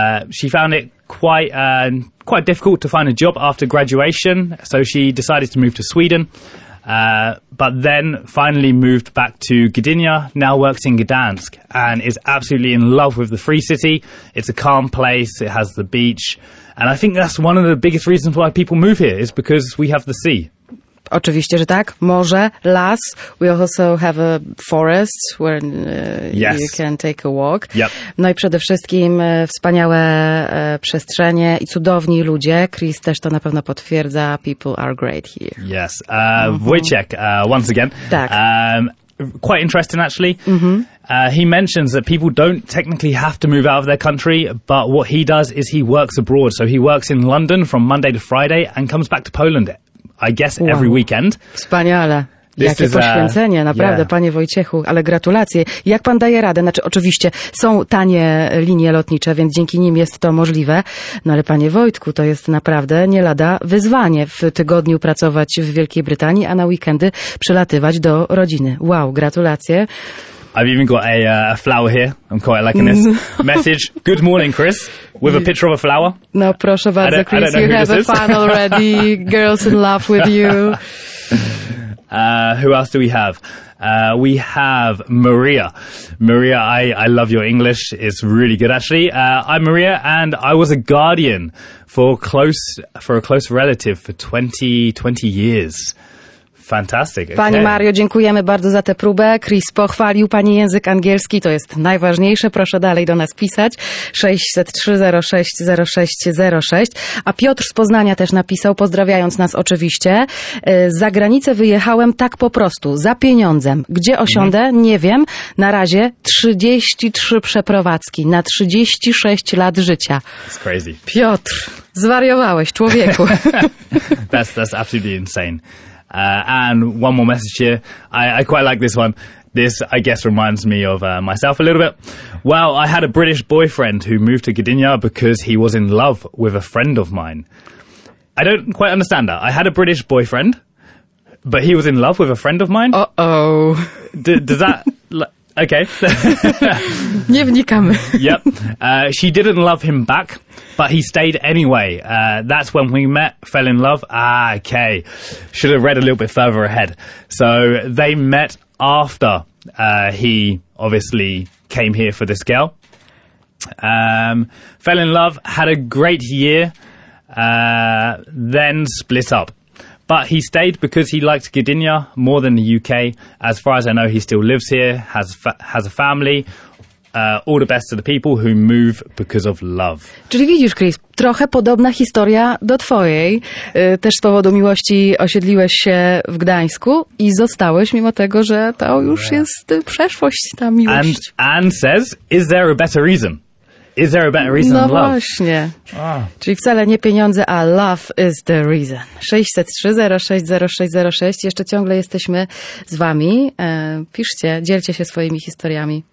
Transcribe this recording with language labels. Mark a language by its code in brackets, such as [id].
[en] She found it quite difficult to find a job after graduation, so she decided to move to Sweden, but then finally moved back to Gdynia, now works in Gdansk, and is absolutely in love with the free city. It's a calm place, it has the beach, and I think that's one of the biggest reasons why people move here, is because we have the sea. [pl] Oczywiście, że tak. Morze, las. [en] We also have a forest where yes. You can take a walk. Yep. [pl] No i przede wszystkim wspaniałe przestrzenie i cudowni ludzie. Chris też to na pewno potwierdza. [en] People are great here. Yes. Wojciech, once again. [pl] Tak. [en] Quite interesting, actually. Mm-hmm. He mentions that people don't technically have to move out of their country, but what he does is he works abroad. So he works in London from Monday to Friday and comes back to Poland, I guess, every weekend. [pl] Wspaniale. Jakie poświęcenie, naprawdę, panie Wojciechu, ale gratulacje. Jak pan daje radę? Znaczy, oczywiście są tanie linie lotnicze, więc dzięki nim jest to możliwe. No ale panie Wojtku, to jest naprawdę nie lada wyzwanie w tygodniu pracować w Wielkiej Brytanii, a na weekendy przylatywać do rodziny. Wow, gratulacje. [en] I've even got a flower here. I'm quite liking this message. Good morning, Chris, with a picture of a flower. [pl] No, proszę bardzo, [en] Chris, you have a fan already. Girls in love with you. Who else do we have? We have Maria. Maria, I love your English. It's really good, actually. I'm Maria, and I was a guardian for a close relative for 20 years. Fantastic. Okay. [pl] Pani Mario, dziękujemy bardzo za tę próbę. Chris pochwalił pani język angielski, to jest najważniejsze. Proszę dalej do nas pisać. 603060606. A Piotr z Poznania też napisał, pozdrawiając nas oczywiście. Za granicę wyjechałem tak po prostu, za pieniądzem. Gdzie osiądę? Mhm. Nie wiem. Na razie 33 przeprowadzki na 36 lat życia. [en] It's crazy. [pl] Piotr, zwariowałeś, człowieku. [en] that's absolutely insane. And one more message here. I quite like this one. This, I guess, reminds me of myself a little bit. Well, I had a British boyfriend who moved to Gdynia because he was in love with a friend of mine. I don't quite understand that. I had a British boyfriend, but he was in love with a friend of mine? Uh-oh. Does that... Okay. Nie wnikamy. Yep. She didn't love him back, but he stayed anyway. That's when we met, fell in love. Ah, okay. Should have read a little bit further ahead. So they met after he obviously came here for this girl. Fell in love, had a great year, then split up. But he stayed because he liked Gdynia more than the UK. As far as I know, he still lives here, has a family. All the best to the people who move because of love. [pl] Czyli widzisz, Chris, trochę podobna historia do twojej. Też z powodu miłości osiedliłeś się w Gdańsku i zostałeś, mimo tego, że to już jest przeszłość, ta miłość. [en] And says, is there a better reason? Is there a better reason no than love? [pl] No właśnie. Oh. Czyli wcale nie pieniądze, a [en] love is the reason. [pl] 603060606. Jeszcze ciągle jesteśmy z wami. Piszcie, dzielcie się swoimi historiami.